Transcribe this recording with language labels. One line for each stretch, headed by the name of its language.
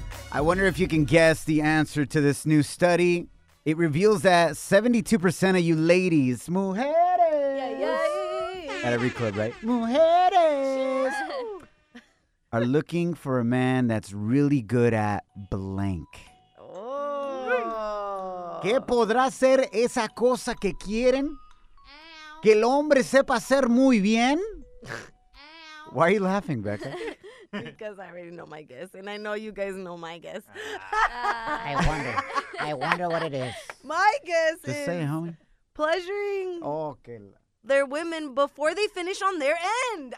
English: I wonder if you can guess the answer to this new study. It reveals that 72% of you ladies, mujeres, at every club, right? Mujeres, are looking for a man that's really good at blank.
Spanish: ¿Qué podrá ser esa cosa que quieren? Que el hombre sepa hacer muy bien?
English: Why are you laughing, Becca? Because I already know my guess, and I know you guys know my guess. I wonder what it is. My guess is... Just say it, homie. Pleasuring their women before they finish on their end.